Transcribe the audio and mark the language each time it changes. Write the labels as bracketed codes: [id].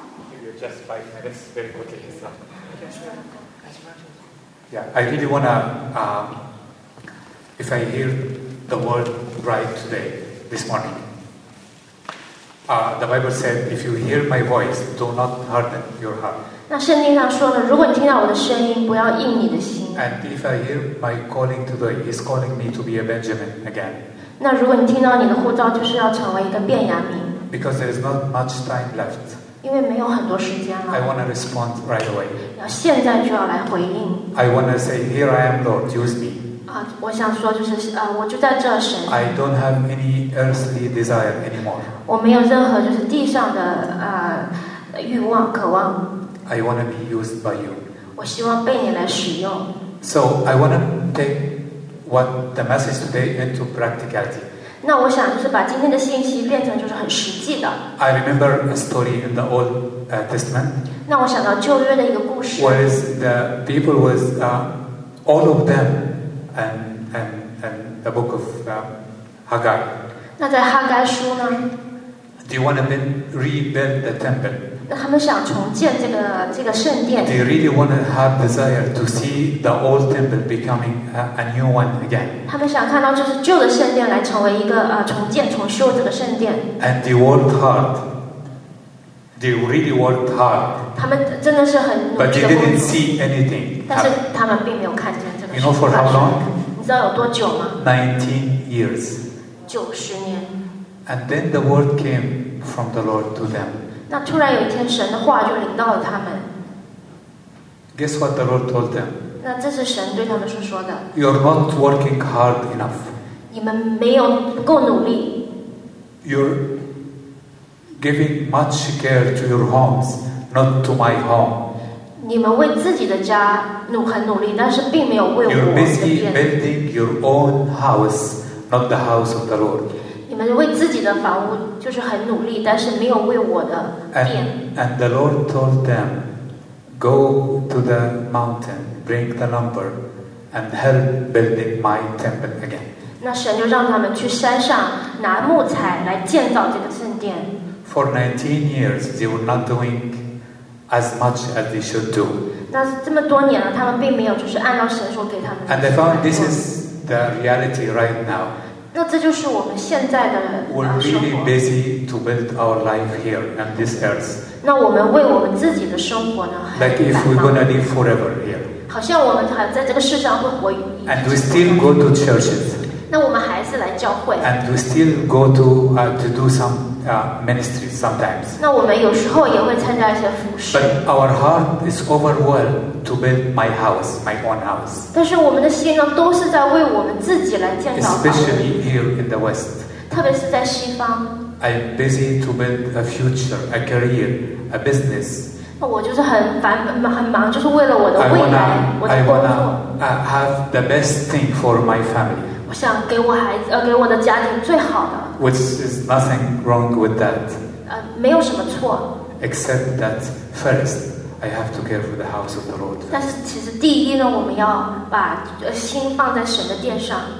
[en] Maybe just 5 minutes, very quickly. Yes, sir. Yeah, I really want to... If I hear the word right today, this morning, the Bible said, if you hear my voice, do not harden your heart. [zh] 那圣经上说的，如果你听到我的声音，不要硬你的心。 [en] And if I hear my calling today, he's calling me to be a Benjamin again. [zh] 那如果你听到你的呼召，就是要成为一个便雅悯。 [en] Because there is not much time left. [zh] 因为没有很多时间了。 [en] I want to respond right away. [zh] 要现在就要来回应。 [en] I want to say, here I am, Lord, use me. [zh] 我想说就是我就在这神。 [en] I don't have any earthly desire anymore. [zh] 我没有任何就是地上的欲望渴望。 [en] I want to be used by you. [zh] 我希望被你来使用。 [en] So I want to take what the message today into practicality. [zh] 那我想就是把今天的信息变成就是很实际的。 [en] I remember a story in the Old Testament. [zh] 那我想到旧约的一个故事。 [en] Whereas the people was all of them. And the book of Haggai. [zh] 那在哈该书呢 [en] ？Do you want to rebuild the temple? [zh] 那他们想重建这个圣殿。 [en] Do you really want to have desire to see the old temple becoming a new one again? [zh] 他们想看到就是旧的圣殿来成为一个重建重修这个圣殿。 [en] And they worked hard. They really worked hard. [zh] 他们真的是很努力的。 [en] But they didn't see anything. [zh] 但是他们并没有看见。 [en] You know for how long? [zh] 你知道有多久吗 [en] ？19 years. 90 years. And then the word came from the Lord to them. [zh] 那突然有一天，神的话就临到了他们。 [en] Guess what the Lord told them? [zh] 那这是神对他们说的。 [en] You're not working hard enough. [zh] 你们没有不够努力。 [en] You're giving much care to your homes, not to my home. [zh] 你们为自己的家很努力，但是并没有为我的。 [en] You're busy building your own house, not the house of the Lord. [zh] 你们为自己的房屋就是很努力，但是没有为我的殿。 [en] And the Lord told them, "Go to the mountain, bring the lumber, and help building my temple again." [zh] 那神就让他们去山上拿木材来建造这个圣殿。 [en] For 19 years, they were not doing. As much as they should do. [zh] 那这么多年了，他们并没有就是按照神所给他们。 [en] And I found this is the reality right now. [zh] 那这就是我们现在的生活。 [en] We're really busy to build our life here on this earth. [zh] 那我们为我们自己的生活呢？ [en] Like if we're gonna live forever here. [zh] 好像我们还在这个世上会活。 [en] And we still go to churches. [zh] 那我们还是来教会。 [en] And we still go to do some ministry sometimes. [zh] 那我们有时候也会参加一些服事。 [en] But our heart is overwhelmed to build my house, my own house. [zh] 但是我们的心呢，都是在为我们自己来建造房子。 [en] Especially here in the West. [zh] 特别是在西方。 [en] I'm busy to build a future, a career, a business. [zh] 那我就是很忙，就是为了我的未来， [en] I wanna have the best thing for my family. [zh] 我想给我孩子，给我的家庭最好的。 [en] Which is nothing wrong with that. [zh] 没有什么错。 [en] Except that first, I have to care for the house of the Lord. [zh] 但是其实第一呢，我们要把心放在神的殿上。